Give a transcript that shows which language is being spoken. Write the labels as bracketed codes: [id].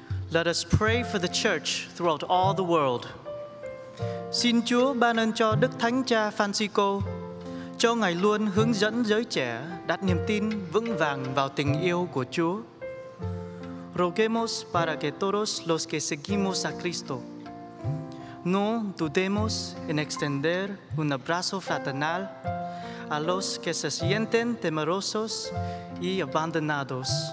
[en] Let us pray for the church throughout all the world. [vi] Xin Chúa ban ơn cho Đức Thánh Cha Francisco, cho Ngài luôn hướng dẫn giới trẻ đặt niềm tin vững vàng vào tình yêu của Chúa. [es] Roguemos para que todos los que seguimos a Cristo no dudemos en extender un abrazo fraternal a los que se sienten temerosos y abandonados.